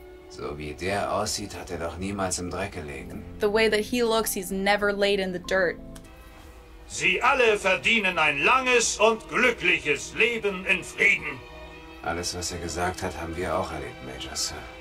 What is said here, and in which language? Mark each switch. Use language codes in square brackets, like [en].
[de] So wie der aussieht, hat er doch niemals im Dreck gelegen. [en] The way that he looks, he's never laid in the dirt. [de] Sie alle verdienen ein langes und glückliches Leben in Frieden. Alles, was er gesagt hat, haben wir auch erlebt, Major Sir.